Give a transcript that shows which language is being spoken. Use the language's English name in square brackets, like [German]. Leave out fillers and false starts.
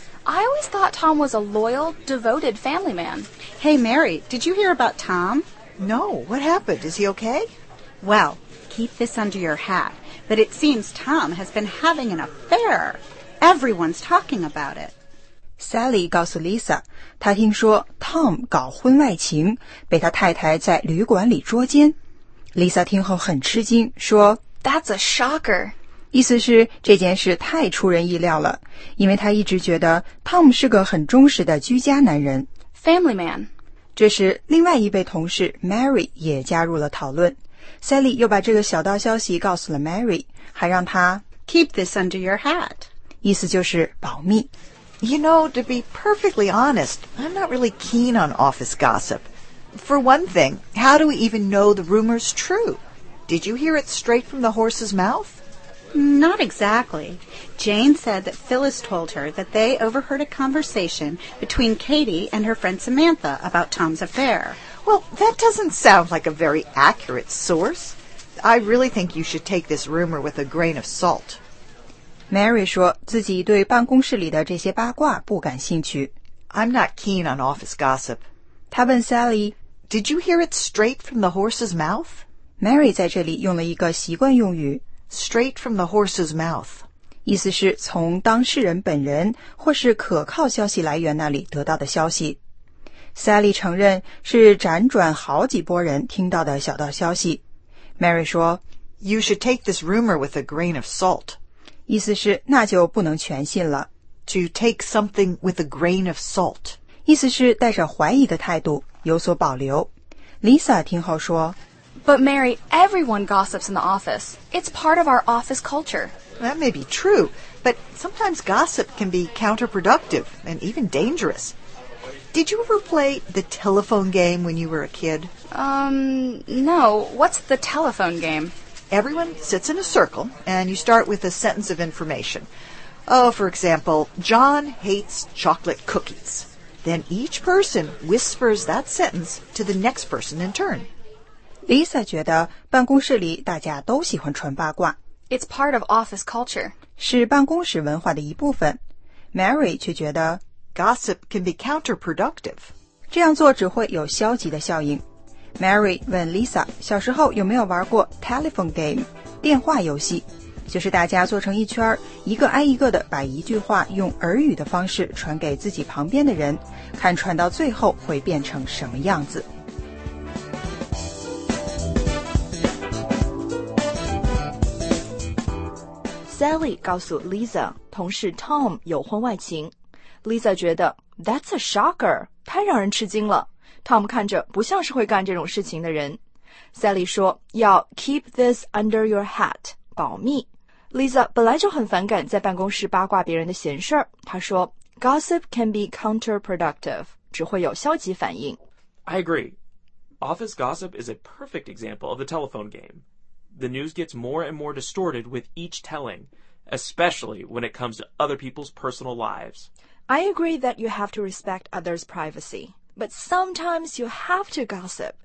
[English] I always thought Tom was a loyal, devoted family man. Hey, Mary, did you hear about Tom? No. What happened? Is he okay? Well, keep this under your hat, but it seems Tom has been having an affair. Everyone's talking about it. [Chinese] Sally 告诉 Lisa， 她听说 Tom 搞婚外情，被他太太在旅馆里捉奸。 Lisa 听后很吃惊，说 [English] "That's a shocker." [Chinese] 意思是这件事太出人意料了，因为她一直觉得 Tom 是个很忠实的居家男人 [English] ，family man。 [Chinese] 这时，另外一位同事 Mary 也加入了讨论。 Sally 又把这个小道消息告诉了 Mary， 还让她 [English] "Keep this under your hat." [Chinese] 意思就是保密。 [English] You know, to be perfectly honest, I'm not really keen on office gossip. For one thing, how do we even know the rumor's true? Did you hear it straight from the horse's mouth? Not exactly. Jane said that Phyllis told her that they overheard a conversation between Katie and her friend Samantha about Tom's affair. Well, that doesn't sound like a very accurate source. I really think you should take this rumor with a grain of salt. [Chinese] Mary 说自己对办公室里的这些八卦不感兴趣。 [English] I'm not keen on office gossip. [Chinese] 她问 Sally, [English] Did you hear it straight from the horse's mouth? [Chinese] Mary 在这里用了一个习惯用语 [English] Straight from the horse's mouth. [Chinese] 意思是从当事人本人或是可靠消息来源那里得到的消息。 Sally 承认是辗转好几波人听到的小道消息。 Mary 说 [English] You should take this rumor with a grain of salt. [Chinese] 意思是那就不能全信了。 [English] To take something with a grain of salt. [Chinese] 意思是带着怀疑的态度有所保留。 Lisa 听后说 [English] But Mary, everyone gossips in the office. It's part of our office culture. That may be true, but sometimes gossip can be counterproductive and even dangerous. Did you ever play the telephone game when you were a kid? No. What's the telephone game? Everyone sits in a circle, and you start with a sentence of information. Oh, for example, John hates chocolate cookies. Then each person whispers that sentence to the next person in turn. [Chinese] Lisa 觉得办公室里大家都喜欢传八卦。 [English] It's part of office culture. [Chinese] 是办公室文化的一部分。 Mary 却觉得 [English] Gossip can be counterproductive. [Chinese] 这样做只会有消极的效应。Mary 问 Lisa, 小时候有没有玩过 telephone game, 电话游戏，就是大家坐成一圈，一个挨一个的把一句话用耳语的方式传给自己旁边的人，看传到最后会变成什么样子。 Sally 告诉 Lisa, 同事 Tom 有婚外情。 Lisa 觉得 [English] That's a shocker, [Chinese] 太让人吃惊了。 Tom 看着不像是会干这种事情的人。 Sally 说要 [English] keep this under your hat, [Chinese] 保密。 Lisa 本来就很反感在办公室八卦别人的闲事儿。她说 [English] Gossip can be counterproductive, [Chinese] 只会有消极反应。 [English] I agree. Office gossip is a perfect example of the telephone game. The news gets more and more distorted with each telling, especially when it comes to other people's personal lives. I agree that you have to respect others' privacy, but sometimes you have to gossip.